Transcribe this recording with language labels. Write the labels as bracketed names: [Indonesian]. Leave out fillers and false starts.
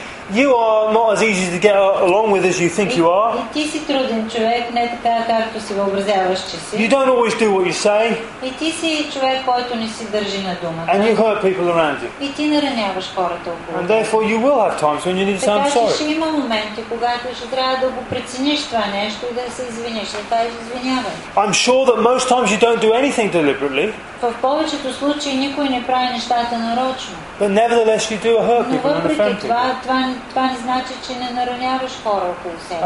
[English] you are not as easy to get along with as you think you are. [Bulgarian] Ти си труден човек, не така както си въобразяваш, че си. [English] You don't always do what you say. [Bulgarian] И ти си човек, който не си държи на думата. [English] And you hurt people around you. [Bulgarian] И ти нараняваш хората около теб. [English] And therefore you will have times when you need to say I'm sorry. [Bulgarian] Така че ще има моменти, когато ще трябва да го прецениш това нещо и да се извиниш, да кажеш извинявай. [English] I'm sure that most times you don't do anything deliberately. [Bulgarian] В повечето случаи никой не прави нещата нарочно. [English] But nevertheless you do hurt people and offend people. [Bulgarian] Това не значи, че не нараняваш хора около себе си.